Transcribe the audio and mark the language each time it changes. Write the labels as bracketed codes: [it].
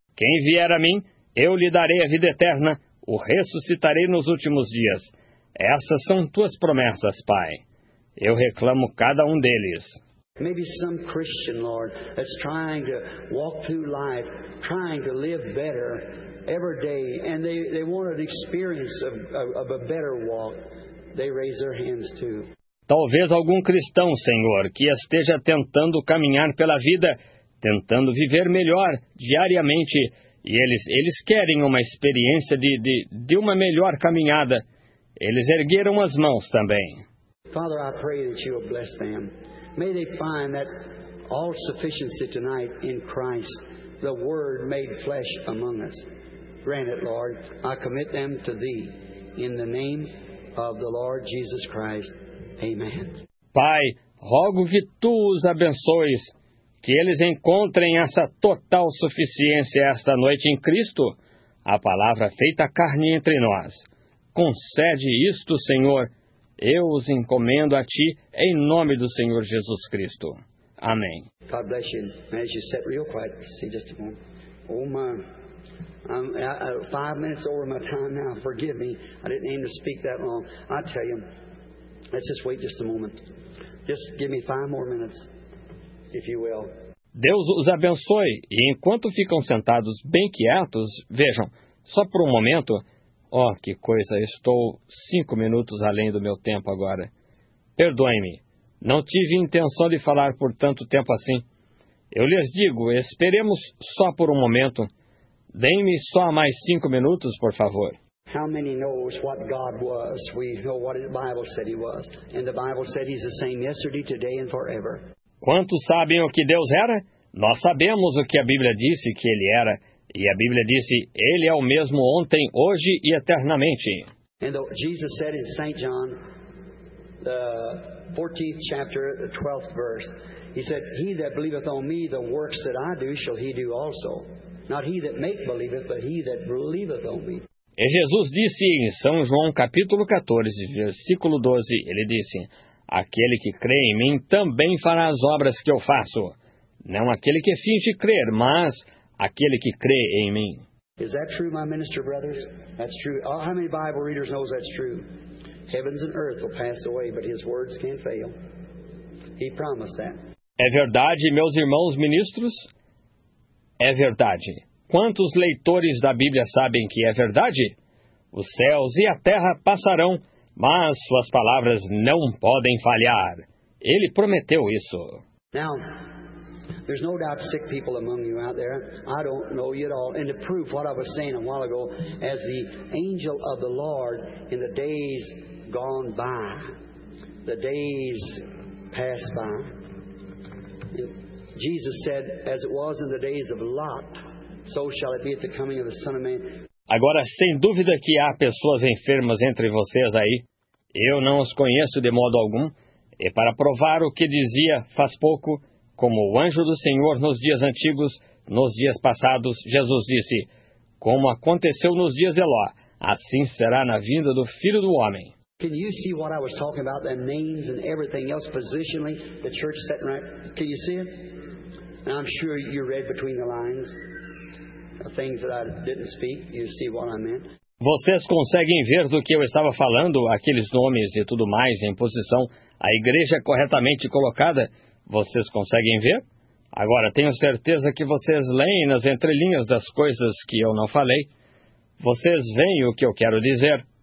[pt] Quem vier a mim, eu lhe darei a vida eterna, o ressuscitarei nos últimos dias. Essas são tuas promessas, Pai. Eu reclamo cada um deles. [en] Maybe some Christian, Lord, that's trying to walk through life, trying to live better every day, and they want an experience of a better walk, they raise their hands too. [pt] Talvez algum cristão, Senhor, que esteja tentando caminhar pela vida, tentando viver melhor diariamente, e eles querem uma experiência de uma melhor caminhada. Eles ergueram as mãos também. [en] Father, I pray that you will bless them. May they find that all sufficiency tonight in Christ, the Word made flesh among us. Grant it, Lord. I commit them to Thee. In the name of the Lord Jesus Christ. Amen. [pt] Pai, rogo que Tu os abençoes, que eles encontrem essa total suficiência esta noite em Cristo, a palavra feita carne entre nós. Concede isto, Senhor. Eu os encomendo a Ti, em nome do Senhor Jesus Cristo. Amém. [en] God bless you. May you sit real quiet. See just a moment. Oh, my. I'm 5 minutes over my time now. Forgive me. I didn't aim to speak that long. I tell you, let's just wait just a moment. Just give me 5 more minutes, if you will. [pt] Deus os abençoe. E enquanto ficam sentados bem quietos, vejam, só por um momento. Oh, que coisa, estou 5 minutos além do meu tempo agora. Perdoe-me, não tive intenção de falar por tanto tempo assim. Eu lhes digo, esperemos só por um momento. Deem-me só mais 5 minutos, por favor. [en] How many knows what God was? We know what the Bible said He was. And the Bible said He's the same yesterday, today and forever. [pt] Quantos sabem o que Deus era? Nós sabemos o que a Bíblia disse que Ele era. E a Bíblia disse, Ele é o mesmo ontem, hoje e eternamente. [en] And the, Jesus said in St. John, the 14th chapter, the 12th verse, He said, He that believeth on me, the works that I do, shall he do also. Not he that make believeth, but he that believeth on me. [pt] E Jesus disse em São João, capítulo 14, versículo 12, Ele disse, Aquele que crê em mim também fará as obras que eu faço. Não aquele que finge crer, mas... Aquele que crê em mim. [en] Is that true, my minister brothers? That's true. Oh, how many Bible readers knows that's true? Heavens and earth will pass away, but His words can't fail. He promised that. [pt] É verdade, meus irmãos ministros? É verdade. Quantos leitores da Bíblia sabem que é verdade? Os céus e a terra passarão, mas Suas palavras não podem falhar. Ele prometeu isso. [en] Now, there's no doubt sick people among you out there. I don't know you at all. And to prove what I was saying a while ago, as the angel of the Lord in the days gone by, the days passed by, Jesus said, as it was in the days of Lot, so shall it be at the coming of the Son of Man. [pt] Agora, sem dúvida que há pessoas enfermas entre vocês aí. Eu não os conheço de modo algum. E para provar o que dizia faz pouco... Como o anjo do Senhor nos dias antigos, nos dias passados, Jesus disse, como aconteceu nos dias de Ló, assim será na vinda do Filho do Homem. [en] Can you see what I was talking about, the names and everything else positionally, the church setting right? Can you see it? And I'm sure you read between the lines of things that I didn't speak. You see what I meant? [pt] Vocês conseguem ver do que eu estava falando, aqueles nomes e tudo mais em posição, a igreja corretamente colocada? Vocês conseguem ver? Agora, tenho certeza que vocês leem nas entrelinhas das coisas que eu não falei. Vocês veem o que eu quero dizer.